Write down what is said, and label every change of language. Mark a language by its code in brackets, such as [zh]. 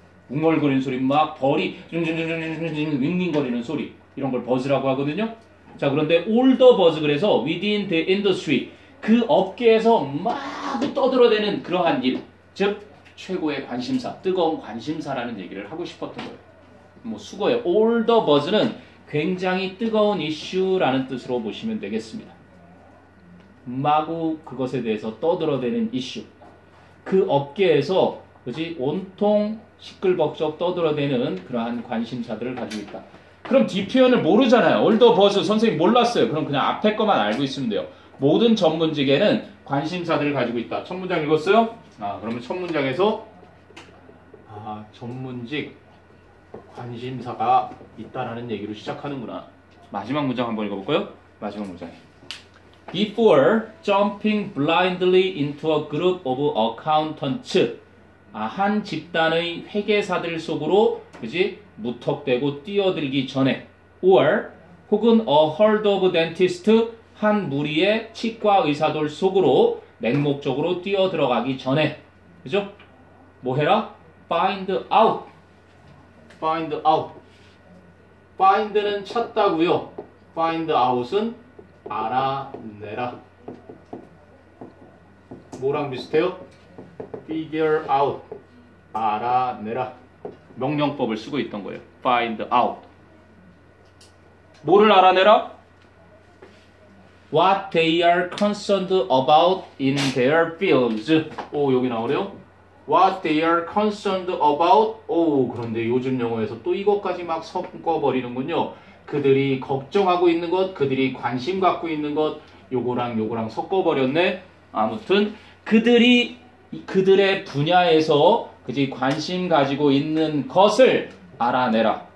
[ko] 웅얼거리는 소리, 막 벌이 윙윙거리는 소리. 이런 걸 buzz라고 하거든요. 자, 그런데 [en] all the buzz 그래서 within the industry. [ko] 그 업계에서 막 떠들어대는 그러한 일. 즉, 최고의 관심사, 뜨거운 관심사라는 얘기를 하고 싶었던 거예요. 뭐 수고예요. [en] All the buzz [ko] 는 굉장히 뜨거운 이슈라는 뜻으로 보시면 되겠습니다. 마구 그것에 대해서 떠들어대는 이슈. 그 업계에서 그지 온통 시끌벅적 떠들어대는 그러한 관심사들을 가지고 있다. 그럼 뒤 표현을 모르잖아요. 올더 버즈 선생님 몰랐어요. 그럼 그냥 앞에 것만 알고 있으면 돼요. 모든 전문직에는 관심사들을 가지고 있다. 첫 문장 읽었어요? 아 그러면 첫 문장에서 아 전문직 관심사가 있다라는 얘기로 시작하는구나. 마지막 문장 한번 읽어볼까요? 마지막 문장. [en] Before jumping blindly into a group of accountants, [ko] 아, 한 집단의 회계사들 속으로 그지 무턱대고 뛰어들기 전에, [en] or 혹은 a herd of dentists, [ko] 한 무리의 치과 의사들 속으로 맹목적으로 뛰어들어가기 전에 그죠? 뭐 해라? [en] Find out. [ko] Find out. Find는 찾다고요. Find out은 알아내라. 뭐랑 비슷해요? [en] Figure out. [ko] 알아내라. 명령법을 쓰고 있던 거예요. Find out. 뭐를 알아내라? [en] What they are concerned about in their fields. [ko] 오, 여기 나오네요. [en] What they are concerned about. [ko] 오, 그런데 요즘 영어에서 또 이것까지 막 섞어버리는군요. 그들이 걱정하고 있는 것, 그들이 관심 갖고 있는 것, 요거랑 요거랑 섞어버렸네. 아무튼 그들이 그들의 분야에서 그지 관심 가지고 있는 것을 알아내라.